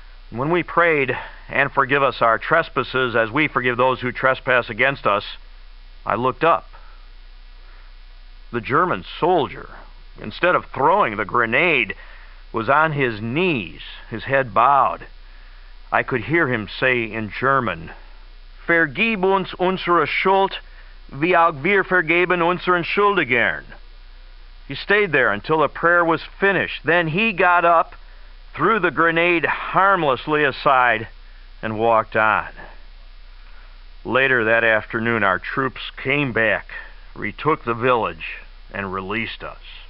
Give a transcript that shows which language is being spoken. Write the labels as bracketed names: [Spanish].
[English] When we prayed, and forgive us our trespasses as we forgive those who trespass against us, I looked up. The German soldier, instead of throwing the grenade, was on his knees, his head bowed. I could hear him say in German, [German] Vergib uns unsere Schuld, wie auch wir vergeben unseren Schuldigern. [English] He stayed there until the prayer was finished. Then he got up, threw the grenade harmlessly aside, and walked on. Later that afternoon, our troops came back, retook the village, and released us.